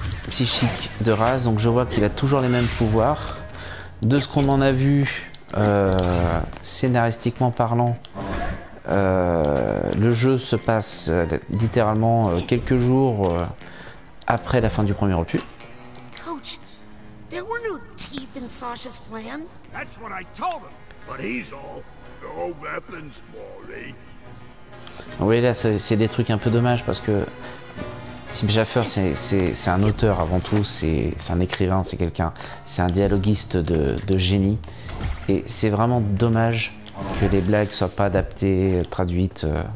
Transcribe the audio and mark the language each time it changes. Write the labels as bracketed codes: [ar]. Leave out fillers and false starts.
[fr] psychique de Raz, donc je vois qu'il a toujours les mêmes pouvoirs. De ce qu'on en a vu, scénaristiquement parlant, le jeu se passe littéralement quelques jours après la fin du premier opus. [en] Coach, there were no teeth in Sasha's plan. That's what I told him, but he's all no weapons, Morty. [fr] Oui, là c'est des trucs un peu dommages parce que Tim Schafer, c'est un auteur avant tout, c'est un écrivain, c'est quelqu'un, c'est un dialoguiste de génie. Et c'est vraiment dommage que les blagues soient pas adaptées, traduites.